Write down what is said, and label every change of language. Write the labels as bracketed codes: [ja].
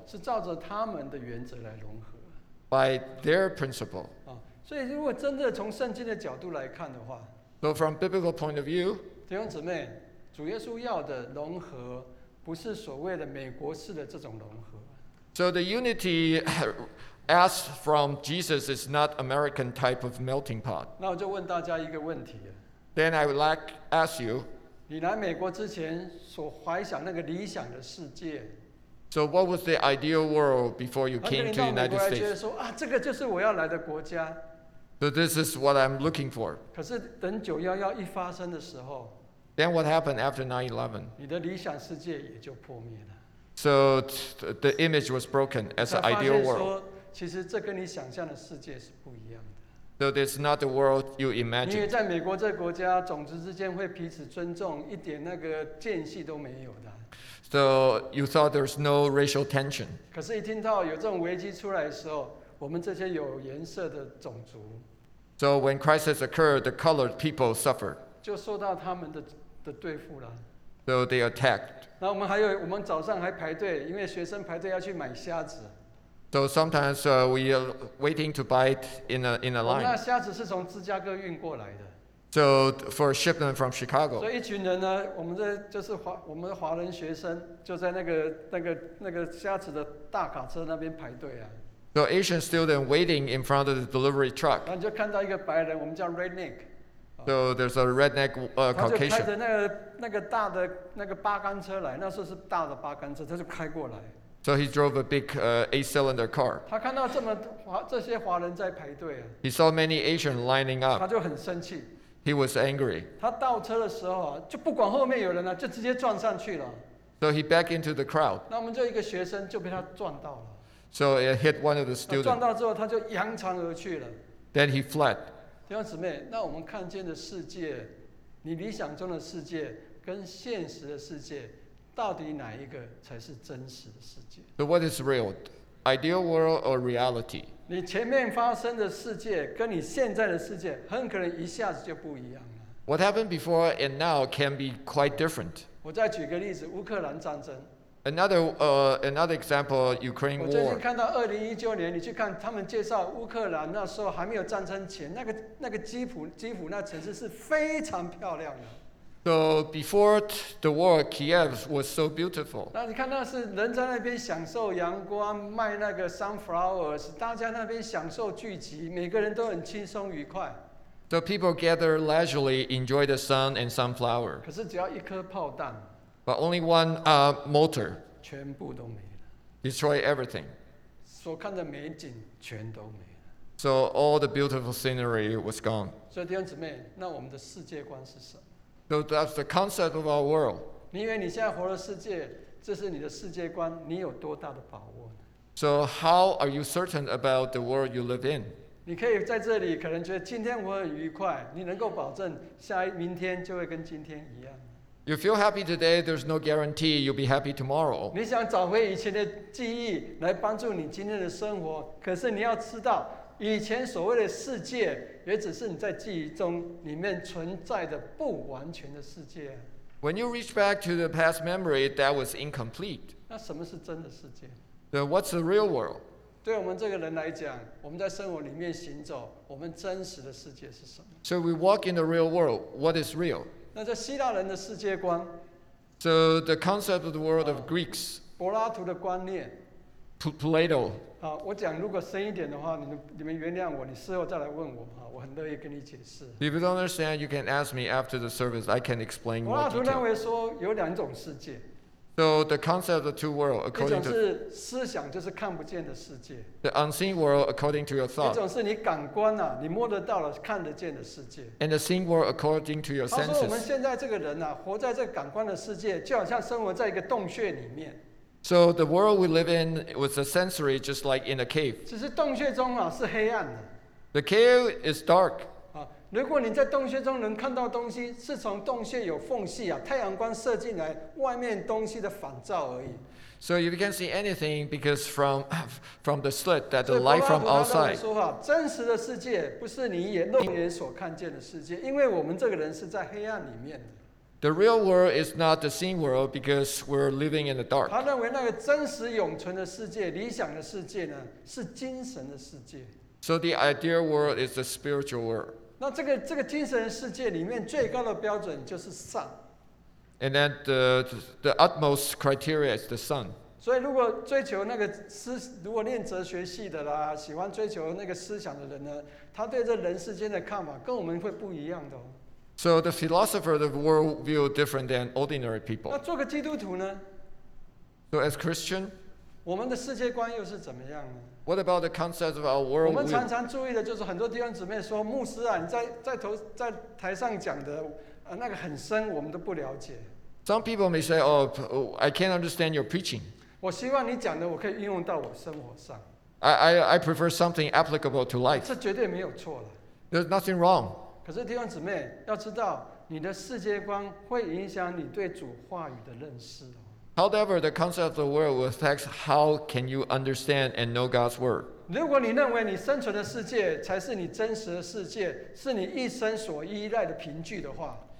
[zh] 是照着他们的原则来融合。 [en] By their principle. [zh] 所以如果真的从圣经的角度来看的话， [en] So from biblical point of view, [zh] 弟兄姊妹，主耶稣要的融合。不是所谓的美国式的这种融合。 [en] So the unity asked from Jesus is not American type of melting pot. [zh] 那我就问大家一个问题。 [en] Then I would like ask you. [zh] 你来美国之前所怀想那个理想的世界。 [en] So what was the ideal world before you came to the United States? [zh] 说啊，这个就是我要来的国家。 [en] So this is what I'm looking for. [zh] 可是等911一发生的时候。 [en] Then what happened after 9/11? [zh] 你的理想世界也就破灭了。 [en] So the image was broken as an ideal world. [zh] 才发现说，其实这跟你想象的世界是不一样的。 [en] So that's not the world you imagined. [zh] 因为在美国这个国家，种族之间会彼此尊重，一点那个间隙都没有的。 [en] So you thought there's no racial tension. [zh] 可是，一听到有这种危机出来的时候，我们这些有颜色的种族。 [en] So when crisis occurred, the colored people suffered. [zh] 就受到他们的对付了。 [en] So they attacked. [zh] 那我们还有，我们早上还排队，因为学生排队要去买虾子。 [en] So sometimes we are waiting to buy it in a line. [zh] 那虾子是从芝加哥运过来的。 [en] So for a shipment from Chicago. [zh] 所以一群人呢，我们这就是华人学生，就在那个虾子的大卡车那边排队啊。 [en] So Asian student waiting in front of the delivery truck. [zh] 那你就看到一个白人，我们叫 redneck。 [en] So there's a redneck Caucasian. [zh] 他就开着那个大的那个八杆车来，那时候是大的八杆车，他就开过来。 [en] So he drove a big eight-cylinder car. [zh] 他看到这些华人在排队啊。 [en] He saw many Asian lining up. [zh] 他就很生气。 [en] He was angry. [zh] 他倒车的时候就不管后面有人了，就直接撞上去了。 [en] So he backed into the crowd. [zh] 那我们就一个学生就被他撞到了。 [en] So it hit one of the students. [zh] 撞到之后他就扬长而去了。 [en] Then he fled. [zh] 弟兄姊妹，那我们看见的世界，你理想中的世界跟现实的世界，到底哪一个才是真实的世界 [en] ？So what is real, ideal world or reality？ [zh] 你前面发生的世界跟你现在的世界，很可能一下子就不一样了。 [en] What happened before and now can be quite different。 [zh] 我再举个例子，乌克兰战争。 [en] Another example, Ukraine war. [zh] 我最近看到2019年，你去看他们介绍乌克兰那时候还没有战争前，那个基辅那城市是非常漂亮的。 [en] So before the war, Kiev was so beautiful. [zh] 那你看那是人在那边享受阳光，卖那个 sunflowers， 大家那边享受聚集，每个人都很轻松愉快。 [en] So people gather leisurely, enjoy the sun and sunflower. [zh] 可是只要一颗炮弹。 [en] But only one motor. [zh] 全部都没了。 [en] Destroy everything. [zh] 所看的美景全都没了。 [en] So all the beautiful scenery was gone. [zh] 所以弟兄姊妹，那我们的世界观是什么 [en] ？So that's the concept of our world. [zh] 你以为你现在活的世界，这是你的世界观，你有多大的把握呢 [en] ？So how are you certain about the world you live in? [zh] 你可以在这里可能觉得今天我很愉快，你能够保证下一明天就会跟今天一样。 [en] You feel happy today, there's no guarantee you'll be happy tomorrow. [zh] 你想找回以前的记忆来帮助你今天的生活，可是你要知道以前所谓的世界也只是你在记忆中里面存在的不完全的世界。 [en] When you reach back to the past memory, that was incomplete. [zh] 那什么是真的世界？ [en] Then what's the real world? [zh] 对我们这个人来讲，我们在生活里面行走，我们真实的世界是什么？ [en] So we walk in the real world, what is real? [zh] 那在希腊人的世界观， [en] So the concept of the world of Greeks, [zh] 柏拉图的观念， [en] Plato. [zh] 好，我讲如果深一点的话，你们原谅我，你事后再来问我，我很乐意跟你解释。 [en] If you don't understand, you can ask me after the service. I can explain more. [zh] 柏拉图认为说有两种世界。 [en] So the concept of the two worlds, according to [zh] 一种是思想，就是看不见的世界。 [en] The unseen world, according to your thought. [zh] 一种是你感官啊，你摸得到了、看得见的世界。 [en] And the seen world, according to your senses. [zh] 他说我们现在这个人啊，活在这个感官的世界，就好像生活在一个洞穴里面。 [en] So the world we live in was a sensory, just like in a cave. [zh] 只是洞穴中啊是黑暗的。 [en] The cave is dark. [zh] 啊，如果你在洞穴中能看到东西，是从洞穴有缝隙啊，太阳光射进来，外面东西的反照而已。 [en] So you can see anything because from the slit that the light from outside. [zh] 所以柏拉图说啊，真实的世界不是你肉眼所看见的世界，因为我们这个人是在黑暗里面的。 [en] The real world is not the seen world because we're living in the dark. [zh] 他认为那个真实永存的世界、理想的世界呢，是精神的世界。 [en] So the ideal world is the spiritual world. [zh] 那这个精神世界里面最高的标准就是善。 [en] And then the utmost criteria is the sun. [zh] 所以如果追求那个思，如果念哲学系的啦，喜欢追求那个思想的人呢，他对这人世间的看法跟我们会不一样的哦。 [en] So the philosopher, the worldview different than ordinary people. [zh] 那做个基督徒呢？ [en] So as Christian, [zh] 我们的世界观又是怎么样呢？ [en] What about the concept of our world? [zh] 我们常常注意的就是很多弟兄姊妹说，牧师啊，你在台上讲的那个很深，我们都不了解。 [en] Some people may say, "Oh, I can't understand your preaching." [zh] 我希望你讲的我可以运用到我生活上。 [en] I prefer something applicable to life. [zh] 这绝对没有错了。 [en] There's nothing wrong. [zh] 可是弟兄姊妹要知道，你的世界观会影响你对主话语的认识。 [en] However, the concept of the world will affect how can you understand and know God's word. [zh] 如果你认为你生存的世界才是你真实的世界，是你一生所依赖的凭据的话，